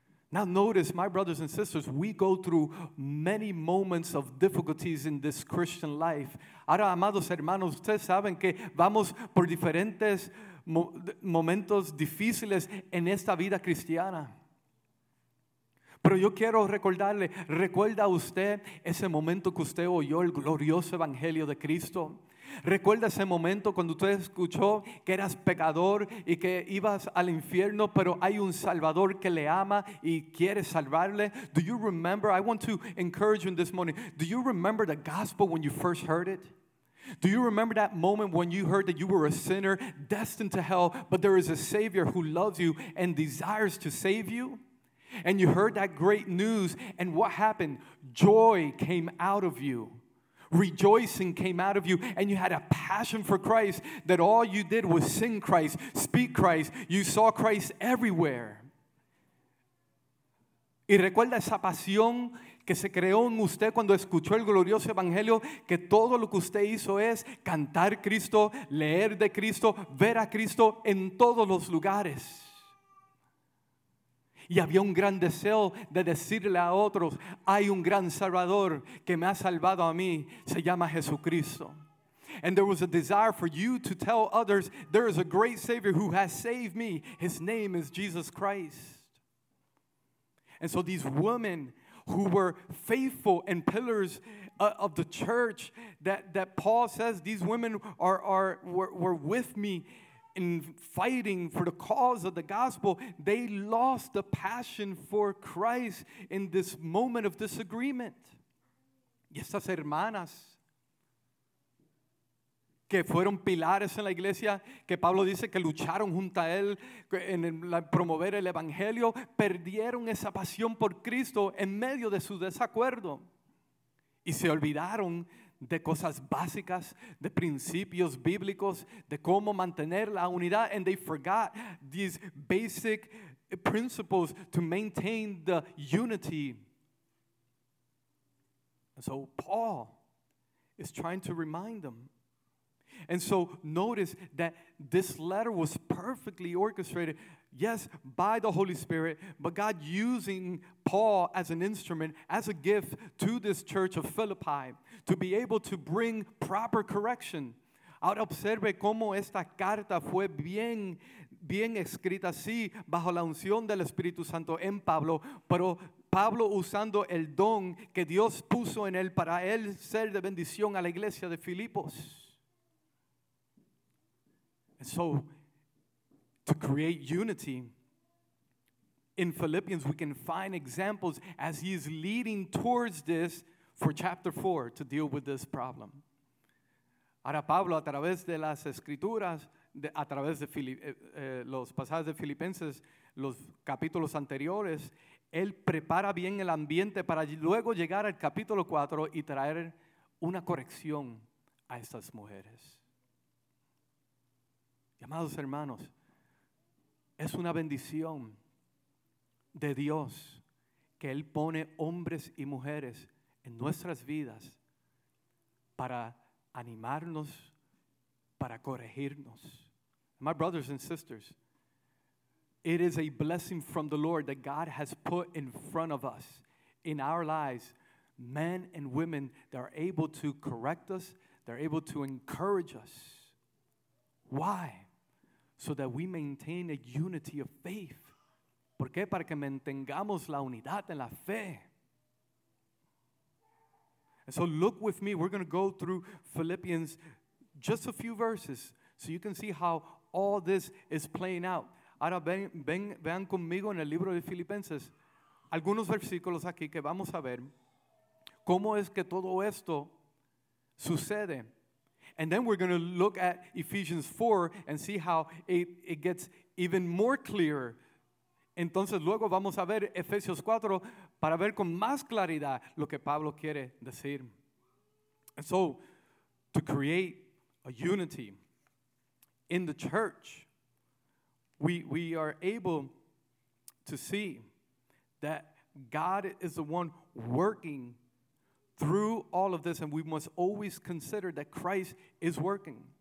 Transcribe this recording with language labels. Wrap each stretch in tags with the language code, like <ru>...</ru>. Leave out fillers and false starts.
<en>Now notice, my brothers and sisters, we go through many moments of difficulties in this Christian life.</en> <es>Ahora, amados hermanos, ustedes saben que vamos por diferentes momentos difíciles en esta vida cristiana. Pero yo quiero recordarle, ¿recuerda usted ese momento que usted oyó el glorioso evangelio de Cristo? ¿Recuerda ese momento cuando usted escuchó que eras pecador y que ibas al infierno, pero hay un Salvador que le ama y quiere salvarle?</es> <en>Do you remember, I want to encourage you in this morning, do you remember the gospel when you first heard it? Do you remember that moment when you heard that you were a sinner destined to hell, but there is a Savior who loves you and desires to save you? And you heard that great news, and what happened? Joy came out of you. Rejoicing came out of you, and you had a passion for Christ that all you did was sing Christ, speak Christ. You saw Christ everywhere.</en> <es>Y recuerda esa pasión que se creó en usted cuando escuchó el glorioso evangelio, que todo lo que usted hizo es cantar Cristo, leer de Cristo, ver a Cristo en todos los lugares. Y había un gran deseo de decirle a otros, hay un gran Salvador que me ha salvado a mí, se llama Jesucristo.</es> <en>And there was a desire for you to tell others, there is a great Savior who has saved me. His name is Jesus Christ. And so these women who were faithful and pillars of the church, that Paul says, these women were with me in fighting for the cause of the gospel. They lost the passion for Christ in this moment of disagreement.</en> <es>Y estas hermanas que fueron pilares en la iglesia, que Pablo dice que lucharon junto a él en promover el evangelio, perdieron esa pasión por Cristo en medio de su desacuerdo. Y se olvidaron de cosas básicas, de principios bíblicos, de cómo mantener la unidad.</es> <en>And they forgot these basic principles to maintain the unity. And so Paul is trying to remind them. And so notice that this letter was perfectly orchestrated, yes, by the Holy Spirit, but God using Paul as an instrument, as a gift to this church of Philippi to be able to bring proper correction.</en> <es>Ahora observe cómo esta carta fue bien escrita, sí, bajo la unción del Espíritu Santo en Pablo, pero Pablo usando el don que Dios puso en él para él ser de bendición a la iglesia de Filipos.</es> <en>And so, to create unity, in Philippians we can find examples as he is leading towards this for chapter 4 to deal with this problem.</en> <es>Ahora Pablo, a través de las escrituras, a través de los pasajes de Filipenses, los capítulos anteriores, él prepara bien el ambiente para luego llegar al capítulo 4 y traer una corrección a estas mujeres. Amados hermanos, es una bendición de Dios que Él pone hombres y mujeres en nuestras vidas para animarnos, para corregirnos.</es> <en>My brothers and sisters, it is a blessing from the Lord that God has put in front of us, in our lives, men and women that are able to correct us, they're able to encourage us. Why? So that we maintain a unity of faith.</en> <es>¿Por qué? Para que mantengamos la unidad en la fe.</es> <en>And so look with me. We're going to go through Philippians just a few verses so you can see how all this is playing out.</en> <es>Ahora vean conmigo en el libro de Filipenses algunos versículos aquí que vamos a ver cómo es que todo esto sucede.</es> <en>And then we're going to look at Ephesians 4 and see how it gets even more clear.</en> <es>Entonces luego vamos a ver Efesios 4 para ver con más claridad lo que Pablo quiere decir.</es> <en>And so, to create a unity in the church, we are able to see that God is the one working through all of this, and we must always consider that Christ is working.</en>